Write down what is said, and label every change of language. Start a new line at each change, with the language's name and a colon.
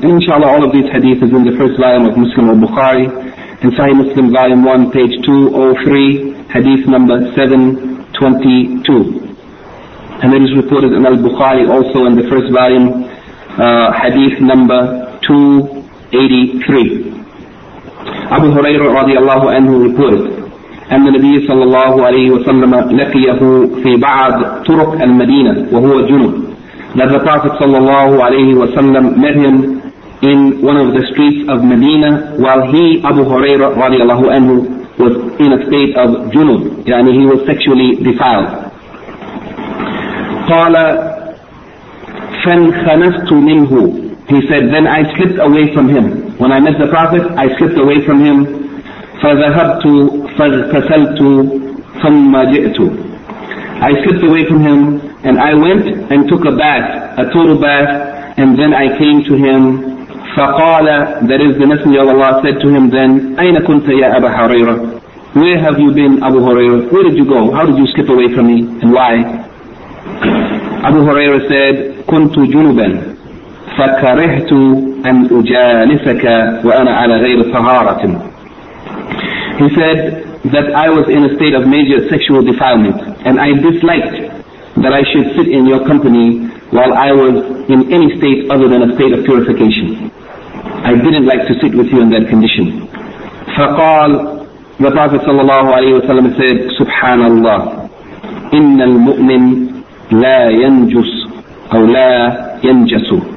English: Inshallah, all of these hadiths is in the first volume of Muslim al-Bukhari. In Sahih Muslim, volume 1, page 203, hadith number 722. And it is reported in al-Bukhari also in the first volume, hadith number 283. Abu Hurairah radiallahu anhu reported,
Arabic: أن النبي صلى الله عليه وسلم لقيه في بعض طرق المدينة وهو جنب.
English: That the Prophet صلى الله عليه وسلم met him in one of the streets of Medina while he, Abu Hurairah رضي الله عنه, was in a state of junub.
Arabic: يعني
English: he was sexually defiled.
Arabic: قال فانخنست منه.
English: He said, then I slipped away from him. When I met the Prophet, I slipped away from him.
Arabic: فذهبت فاغتسلت ثم جئت.
English: I slipped away from him, and I went and took a bath, a total bath, and then I came to him.
Arabic: فقال,
English: that is, the Messenger of Allah said to him then,
Arabic: أين كنت يا أبا حريرة?
English: Where have you been, Abu Hurairah? Where did you go? How did you slip away from me, and why? Abu Hurairah said,
Arabic: كنت جنبا فكرهت أن أجالسك وأنا على غير طهارة.
English: He said that I was in a state of major sexual defilement, and I disliked that I should sit in your company while I was in any state other than a state of purification. I didn't like to sit with you in that condition.
Arabic: فقال,
English: the Prophet sallallahu alayhi wa sallam said, Subhanallah,
Arabic: إن المؤمن لا ينجس أو لا ينجس.